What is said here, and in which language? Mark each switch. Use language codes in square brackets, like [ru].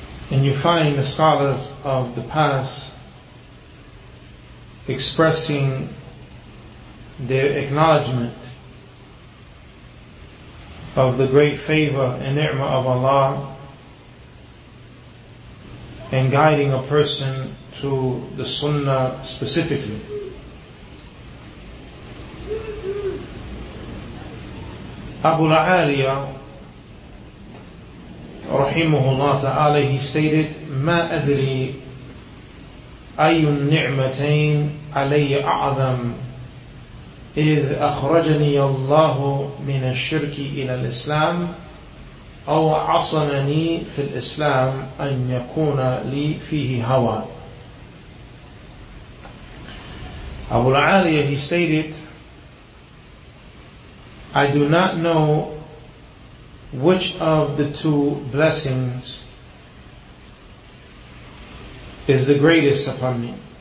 [en] And you find the scholars of the past expressing their acknowledgement of the great favor and ni'mah of Allah and guiding a person to the Sunnah specifically. Abu Al-Aliya Rahimahullah ta'ala, he stated, [ar] ما أدري أي النعمتين علي أعظم إذ أخرجني الله من الشرك إلى الإسلام أو عصمني في الإسلام أن يكون لي فيه هوى. [en] Abu Al-Aliya, he stated, I do not know which of the two blessings is the greatest upon me,